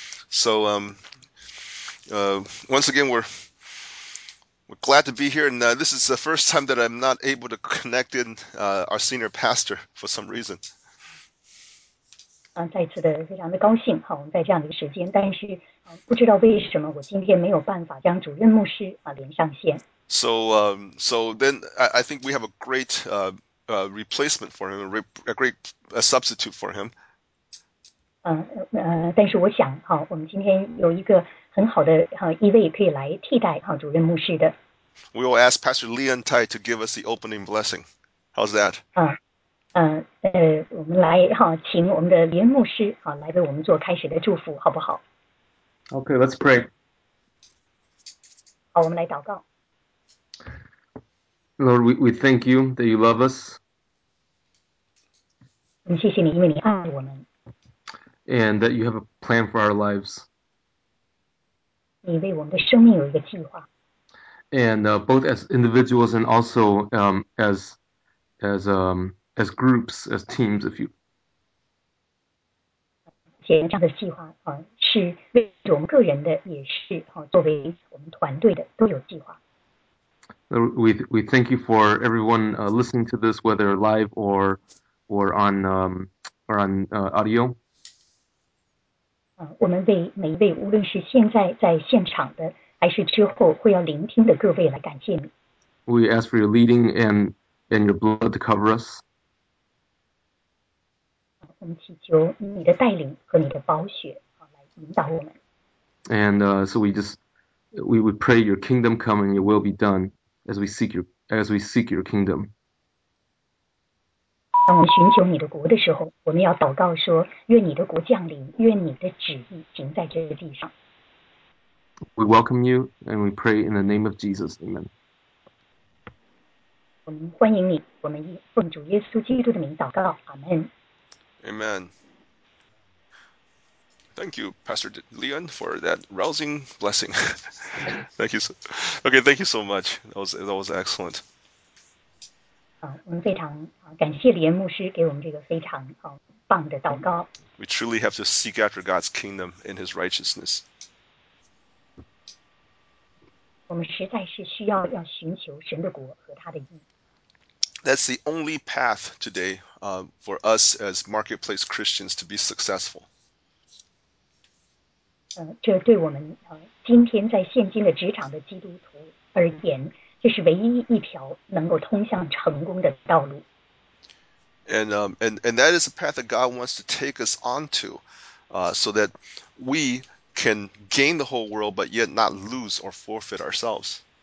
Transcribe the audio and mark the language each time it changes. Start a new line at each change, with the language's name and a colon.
English: So once again we're glad to be here, and this is the first time that I'm not able to connect in our senior pastor for some reason.
Chinese: 再次的非常的高兴，好，我们在这样的一个时间，但是不知道为什么我今天没有办法将主任牧师连上线。
English: So so then I think we have a great replacement for him, a great substitute for him.
Chinese: 但是我想，哈，我们今天有一个很好的哈一位可以来替代哈主任牧师的。
English: We will ask Pastor Leon Tai to give us the opening blessing. How's that?
Chinese: 我们来哈，请我们的连牧师哈来为我们做开始的祝福，好不好
English: ？Okay, let's pray.
Chinese: 好，我们来祷告。
English: Lord, we thank you that you love us.
Chinese: 我们谢谢你，因为你爱我们。
English: And that you have a plan for our lives.
Chinese: 你为我们的生命有一个计划。
English: And both as individuals and also as groups, as teams, if you.
Chinese: 这样的计划是为我们个人的，也是作为我们团队的都有计划。
English: We thank you for everyone listening to this, whether live or on audio.
Chinese: 我们为每一位，无论是现在在现场的，还是之后会要聆听的各位来感谢你。
English: We ask for your leading and your blood to cover us.
Chinese: 我们祈求你的带领和你的宝血来引导我们。
English: And so we would pray your kingdom come and your will be done as we seek your kingdom.
Chinese: 当我们寻求你的国的时候，我们要祷告说：“愿你的国降临，愿你的旨意行在这个地上。”
English: We welcome you and we pray in the name of Jesus, Amen.
Chinese: 我们欢迎你，我们以奉主耶稣基督的名祷告，阿门。
English: Amen. Thank you, Pastor Leon, for that rousing blessing. Thank you. Okay, thank you so much. That was excellent.
Chinese: 我们非常感谢李恩牧师给我们这个非常棒的祷告。
English: We truly have to seek after God's kingdom and His righteousness.
Chinese: 我们实在是需要要寻求神的国和他的义。
English: That's the only path today, for us as marketplace Christians to be successful.
Chinese: 这对我们今天在现今的职场的基督徒而言。这是唯一一条能够通向成功的道路。
English: And that is the path that God wants to take us onto, so that we can gain the whole world, but yet not lose or forfeit ourselves.